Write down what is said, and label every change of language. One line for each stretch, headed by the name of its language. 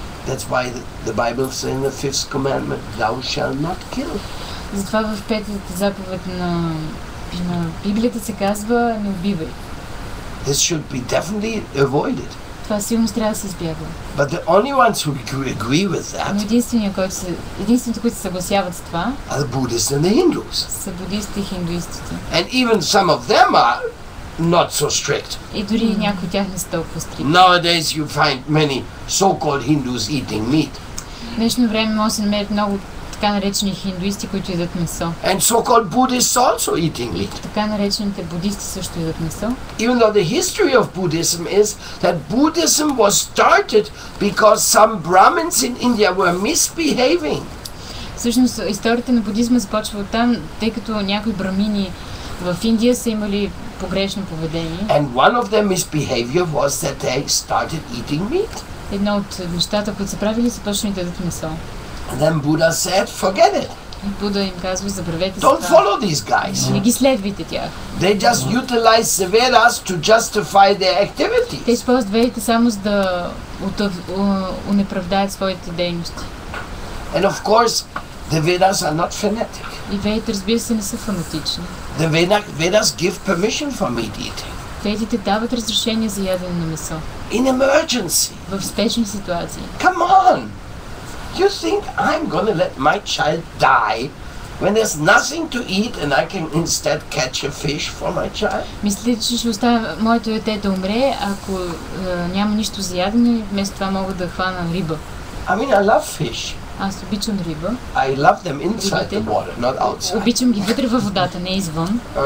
English: That's why the Bible says in the fifth commandment, thou shalt not kill.
Bulgarian: Затова в петата заповед на Библията се казва не убивай.
English: This should be definitely avoided.
Bulgarian: Това сигурно трябва да се избягва.
English: But the only ones who agree with that.
Bulgarian: Единствените, които се съгласяват с това,
English: are the Buddhists and the Hindus.
Bulgarian: Са будистите и хиндуистите.
English: And even some of them are not so strict.
Bulgarian: И дори някои от тях не са толкова стрикт.
English: Nowadays you find many so-called Hindus eating meat.
Bulgarian: В днешно време може да се намерят много така наречени хиндуисти, които едат месо.
English: And so-called Buddhists also eating meat.
Bulgarian: Така наречените будисти също едат месо.
English: Even though the history of Buddhism is that Buddhism was started because some Brahmins in India were misbehaving.
Bulgarian: Всъщност историята на будизма започва от там, тъй като някои брамини в Индия са имали погрешно поведение.
English: And one of their misbehavior was that they started eating meat.
Bulgarian: Едно от нещата, които са правили, са почнали да едат месо.
English: Then Buddha said, forget it.
Bulgarian: Буда им казва, забравете се.
English: Don't follow these guys.
Bulgarian: Не ги следвайте тях.
English: They just utilize the Vedas to justify their activities.
Bulgarian: Те използват Ведите само за да унеправдаят своите дейности.
English: And of course, the Vedas are not fanatic.
Bulgarian: И Ведите, разбира се, не са фанатични.
English: The Vedas give permission for meat eating.
Bulgarian: Ведите дават разрешение за ядене на месо.
English: In emergency.
Bulgarian: В спешни ситуации.
English: Come on. You think I'm gonna let my child die when there's nothing to eat and I can instead catch a fish for my child?
Bulgarian: Мислите, че ще оставя моето дете да умре, ако няма нищо за ядене, вместо това мога да хвана риба?
English: I mean, I love fish.
Bulgarian: Аз обичам риба.
English: I love them inside the water, not outside.
Bulgarian: Обичам ги вътре във водата, не извън.